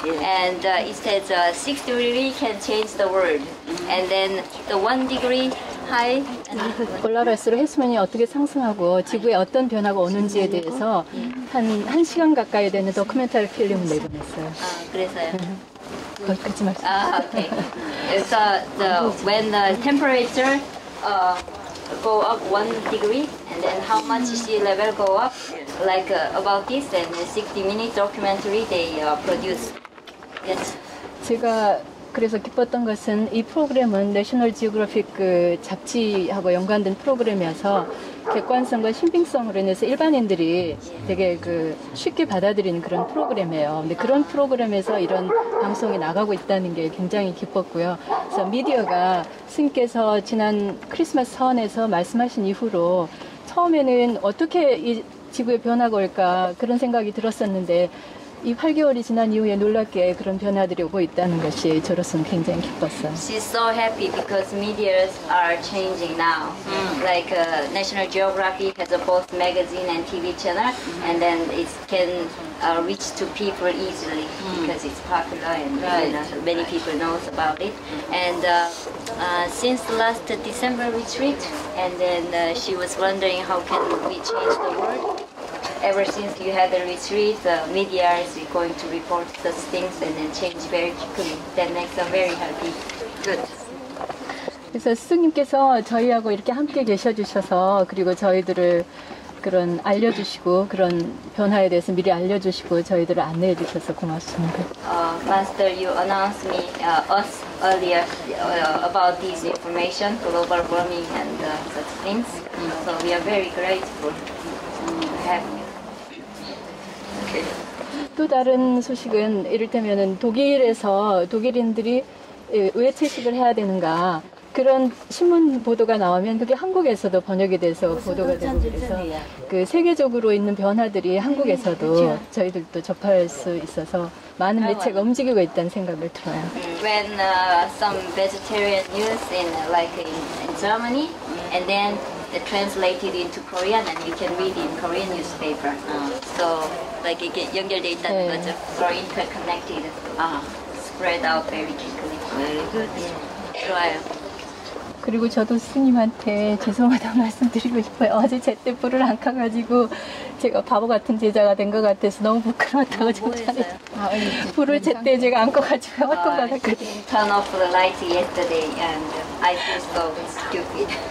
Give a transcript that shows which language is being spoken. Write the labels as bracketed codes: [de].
[en] And it says 6° can change the world. And then the 1° high. [ko] 올라갈수록 해수면이 어떻게 상승하고 지구에 어떤 변화가 오는지에 대해서 한 시간 가까이 되는 도큐멘터리 필름을 내보냈어요. 그래서요? 거기까지 말씀. 오케이. [en] So the when the temperature go up 1°, and then how much sea level go up, like about this, and 60-minute documentary they produce. Yes. [ko] 제가 그래서 기뻤던 것은 이 프로그램은 내셔널 지오그래픽 그 잡지하고 연관된 프로그램이어서 객관성과 신빙성으로 인해서 일반인들이 되게 그 쉽게 받아들이는 그런 프로그램이에요. 근데 그런 프로그램에서 이런 방송이 나가고 있다는 게 굉장히 기뻤고요. 그래서 미디어가 스님께서 지난 크리스마스 선에서 말씀하신 이후로 처음에는 어떻게 이 지구의 변화가 올까 그런 생각이 들었었는데 이 8개월이 지난 이후에 놀랍게 그런 변화들이 오고 있다는 것이 저로서는 굉장히 기뻤어요. [en] She's so happy because medias are changing now. Like National Geographic has a both magazine and TV channel, and then it can reach to people easily because it's popular and many people knows about it. And since the last December retreat, and then she was wondering how can we change the world. Ever since you had the retreat, the media is going to report such things and then change very quickly. That makes us very happy. Good. [ko] 그래서 스승님께서 저희하고 이렇게 함께 계셔주셔서 그리고 저희들을 그런 알려주시고 그런 변화에 대해서 미리 알려주시고 저희들을 안내해 주셔서 고맙습니다. [en] Master, you announced me us earlier about these information, global warming and such things. So we are very grateful to have you. Okay. [ko] 또 다른 소식은 이를테면은 독일에서 독일인들이 왜 채식을 해야 되는가? 그런 신문 보도가 나오면 그게 한국에서도 번역이 돼서 보도가 되고 그래서 그 세계적으로 있는 변화들이 한국에서도 저희들도 접할 수 있어서 많은 매체가 움직이고 있다는 생각을 들어요. [en] When some vegetarian news in like in Germany and then they translated into Korean and you can read in Korean newspaper. So like it get [ko] 연결돼 있다는 거죠. [en] So interconnected. Spread out very quickly. Very good. [ko] 좋아요. 그리고 저도 스님한테 죄송하다고 말씀드리고 싶어요. 어제 제때 불을 안 켜가지고 제가 바보 같은 제자가 된 것 같아서 너무 부끄러웠다고 정찬이 불을 제때 제가 안 켜가지고 어떤 것 같거든요. [en] Turn off the light yesterday and I feel so stupid.